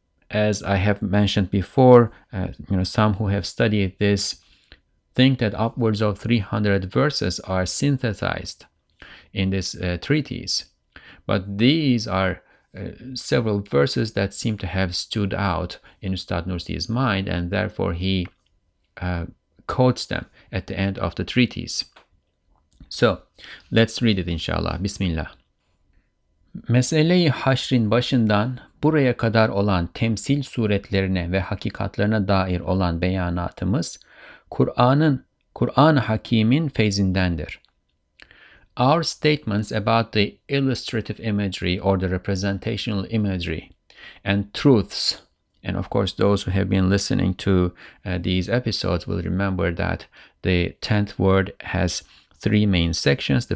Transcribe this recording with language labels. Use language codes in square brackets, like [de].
[en] As I have mentioned before, some who have studied this think that upwards of 300 verses are synthesized in this treatise. But these are several verses that seem to have stood out in Ustad Nursi's mind, and therefore he quotes them at the end of the treatise. So, let's read it inshallah. [ar] Bismillah. [tr] Mesele-i haşrin başından buraya kadar olan temsil suretlerine ve hakikatlerine dair olan beyanatımız, Kur'an-ı Hakîm'in feyzindendir. [en] Our statements about the illustrative imagery or the representational imagery and truths, and of course those who have been listening to these episodes will remember that the 10th word has three main sections.